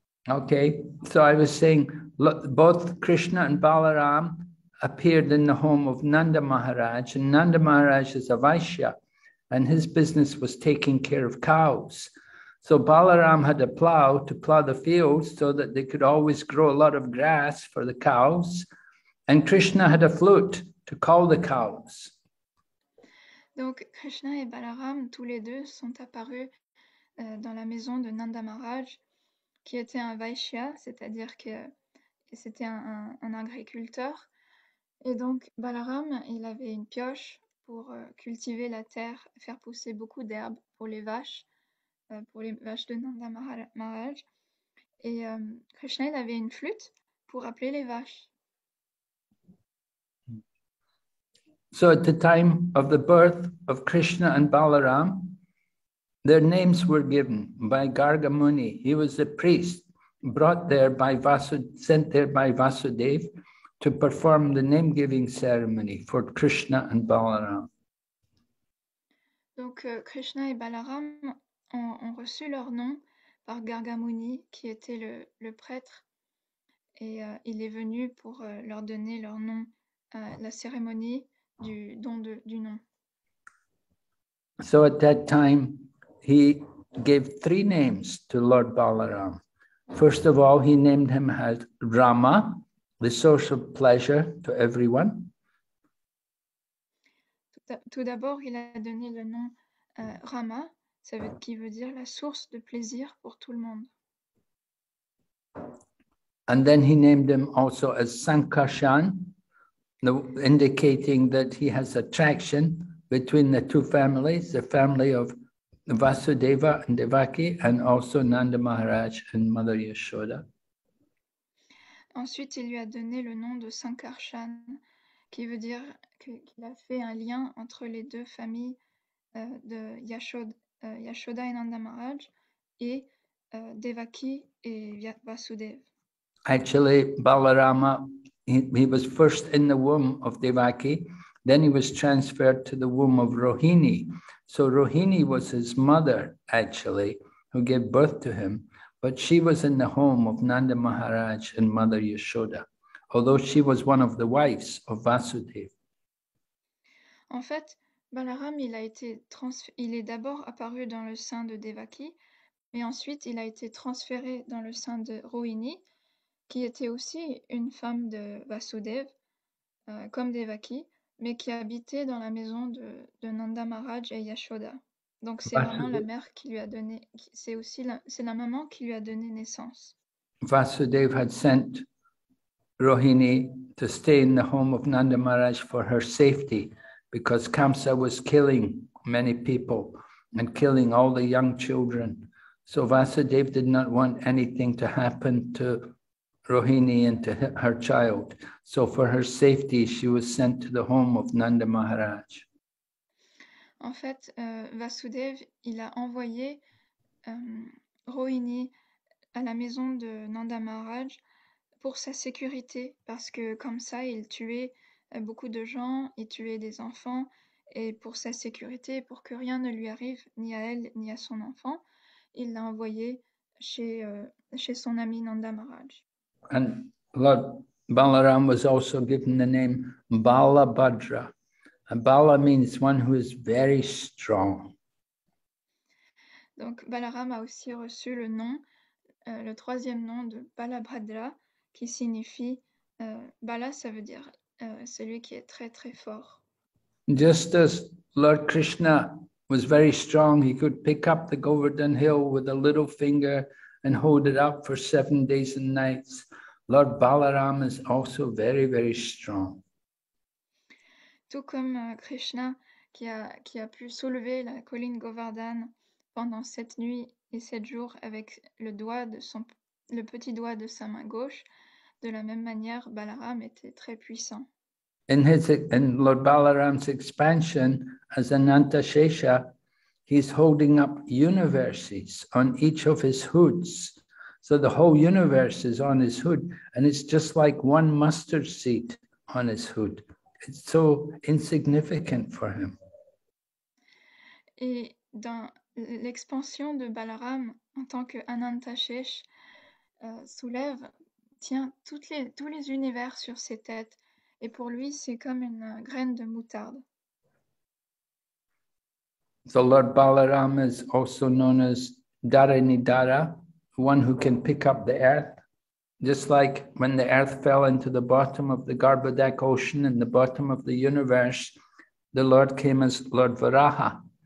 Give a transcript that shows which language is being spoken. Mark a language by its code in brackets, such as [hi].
[en] Okay, so I was saying, look, both Krishna and Balaram appeared in the home of Nanda Maharaj, and Nanda Maharaj is a Vaishya, and his business was taking care of cows. So Balaram had a plow to plow the fields so that they could always grow a lot of grass for the cows, and Krishna had a flute to call the cows. [fr] Donc Krishna et Balaram, tous les deux, sont apparus dans la maison de Nanda Maharaj, qui était un Vaishya, c'est-à-dire que c'était un agriculteur. Et donc Balaram, il avait une pioche pour cultiver la terre, faire pousser beaucoup d'herbes pour les vaches de Nanda Maharaj. Et Krishna, il avait une flûte pour appeler les vaches. [en] So at the time of the birth of Krishna and Balaram, their names were given by Garga Muni. He was a priest sent there by Vasudev to perform the name-giving ceremony for Krishna and Balaram. [fr] Donc Krishna et Balaram ont reçu leur nom par Garga Muni, qui était le prêtre, et il est venu pour leur donner leur nom à la cérémonie du don du nom. [en] So at that time, he gave three names to Lord Balaram. First of all, he named him as Rama, the source of pleasure to everyone. [fr] Tout d'abord, il a donné le nom Rama, qui veut dire la source de plaisir pour tout le monde. [en] And then he named him also as Sankarshan, indicating that he has attraction between the two families, the family of Vasudeva and Devaki, and also Nanda Maharaj and Mother Yashoda. [fr] Ensuite, il lui a donné le nom de Sankarshan, qui veut dire qu'il a fait un lien entre les deux familles de Yashoda et Nanda Maharaj, et Devaki et Vasudeva. [en] Actually, Balarama, he was first in the womb of Devaki, then he was transferred to the womb of Rohini. So Rohini was his mother, actually, who gave birth to him, but she was in the home of Nanda Maharaj and Mother Yashoda, although she was one of the wives of Vasudev. [fr] En fait, Balaram, il est d'abord apparu dans le sein de Devaki, mais ensuite il a été transféré dans le sein de Rohini, qui était aussi une femme de Vasudev, comme Devaki, mais qui habitait dans la maison de Nanda Maharaj et Yashoda. Donc c'est Vasudev. vraiment la mère qui lui a donné, c'est aussi la, c'est la maman qui lui a donné naissance. [en] Vasudev had sent Rohini to stay in the home of Nanda Maharaj for her safety because Kamsa was killing many people and killing all the young children. So Vasudev did not want anything to happen to Rohini and to her child. So for her safety, she was sent to the home of Nanda Maharaj. [fr] En fait, Vasudev, il a envoyé Rohini à la maison de Nanda Maharaj pour sa sécurité, parce que comme ça, il tuait beaucoup de gens, il tuait des enfants, et pour sa sécurité, pour que rien ne lui arrive, ni à elle, ni à son enfant, il l'a envoyé chez, chez son ami Nanda Maharaj. [en] And Lord Balaram was also given the name Balabhadra. And Bala means one who is very strong. [fr] Donc Balaram a aussi reçu le nom, le troisième nom de Balabhadra, qui signifie, Bala, ça veut dire celui qui est très très fort. [en] Just as Lord Krishna was very strong, he could pick up the Govardhan Hill with a little finger and hold it up for 7 days and nights. Lord Balaram is also very, very strong. [fr] Tout comme Krishna qui a pu soulever la colline Govardhan pendant 7 nuits et 7 jours avec le doigt de son, le petit doigt de sa main gauche, de la même manière, Balaram était très puissant. [en] In Lord Balaram's expansion as Ananta Shesha, he's holding up universes on each of his hoods. So the whole universe is on his hood, and it's just like one mustard seed on his hood. It's so insignificant for him. [fr] Et dans l'expansion de Balaram, en tant que Ananta Shesh, soulève, tient tous les univers sur ses têtes, et pour lui, c'est comme une graine de moutarde. [en] So Lord Balaram is also known as Dharanidhara, one who can pick up the earth, just like when the earth fell into the bottom of the Garbhodak ocean and the bottom of the universe, the Lord came as Lord Varaha.